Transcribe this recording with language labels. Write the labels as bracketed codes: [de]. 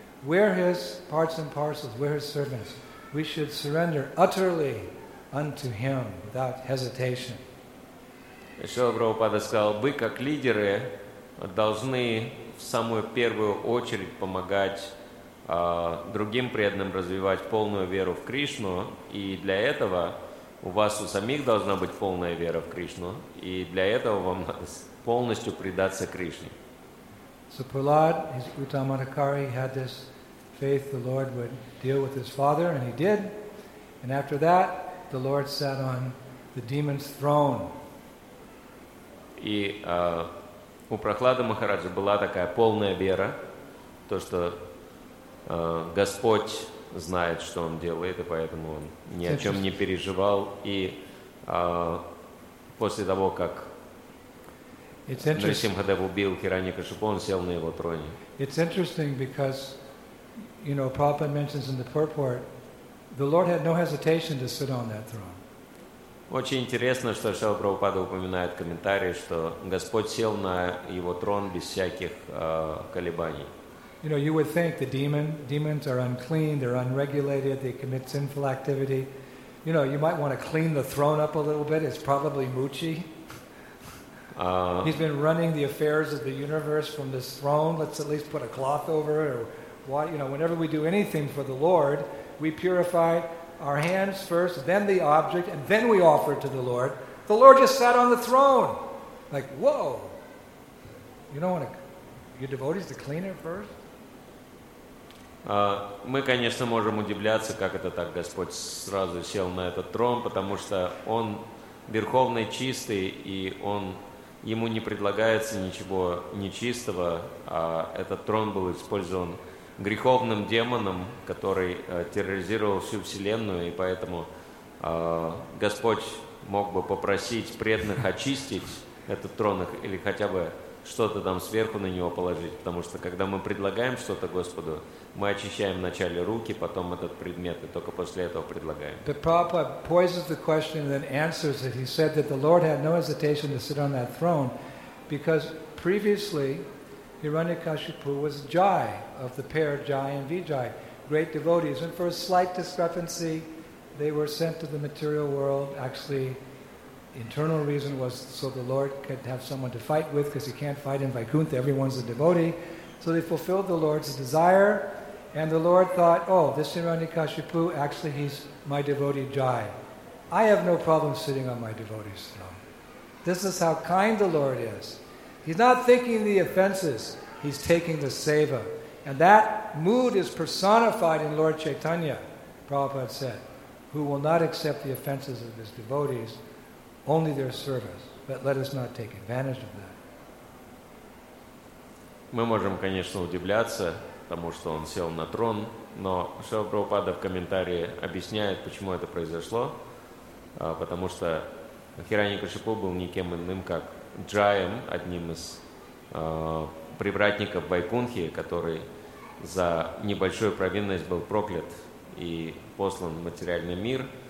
[en] We're his parts and parcels, we're his servants. We should surrender utterly unto him without hesitation. [ru] Шрила Прабхупада сказал, вы как лидеры должны в самую первую очередь помогать другим преданным развивать полную веру в Кришну, и для этого у вас у самих должна быть полная вера в Кришну, и для этого вам надо полностью предаться Кришне. [en] So Prahlad, his Uttamadhikari, had this faith the Lord would deal with his father, and he did. And after that, the Lord sat on the demon's throne. [ru] И у Прохлады Махараджа была такая полная вера, то, что Господь знает, что Он делает, и поэтому Он ни о чем не переживал. И после того, как Нарисимхадев убил Хирани Кашипу, он сел на его троне. [en] It's interesting because, you know, Prabhupada mentions in the purport The Lord had no hesitation to sit on that throne. [ru] Очень интересно, что Шрила Прабхупада упоминает в комментарии, что Господь сел на его трон без всяких колебаний. [en] You know, you would think the demons are unclean, they're unregulated, they commit sinful activity. You know, you might want to clean the throne up a little bit. It's probably Muchi. He's been running the affairs of the universe from this throne. Let's at least put a cloth over it. Or why, you know, whenever we do anything for the Lord, we purify our hands first, then the object, and then we offer it to the Lord. The Lord just sat on the throne. Like, whoa. You don't want to, your devotees to clean it first? [ru] Мы, конечно, можем удивляться, как это так Господь сразу сел на этот трон, потому что Он верховный, чистый, и Он, Ему не предлагается ничего нечистого, а этот трон был использован греховным демоном, который терроризировал всю Вселенную, и поэтому Господь мог бы попросить преданных очистить этот трон или хотя бы что-то там сверху на него положить, потому что когда мы предлагаем что-то Господу, мы очищаем вначале руки, потом этот предмет, и только после этого предлагаем. [en] But Prabhupada poses the question and then answers it. He said that the Lord had no hesitation to sit on that throne because previously Hiranyakashipu was Jai of the pair Jai and Vijay, great devotees. And for a slight discrepancy, they were sent to the material world. Actually, internal reason was so the Lord could have someone to fight with because he can't fight in Vaikuntha. Everyone's a devotee. So they fulfilled the Lord's desire. And the Lord thought, oh, this Hiranyakashipu, actually he's my devotee Jai. I have no problem sitting on my devotee's throne. This is how kind the Lord is. He's not thinking the offenses. He's taking the seva. And that mood is personified in Lord Chaitanya, Prabhupada said, who will not accept the offenses of his devotees, only their service. But let us not take advantage of that. [ru] Мы можем, конечно, удивляться тому, что он сел на трон, но Шрила Прабхупада в комментарии объясняет, почему это произошло, потому что Хираньякашипу был никем иным, как Джаем, одним из привратников Вайкунхи, который за небольшую провинность был проклят и послан в материальный мир.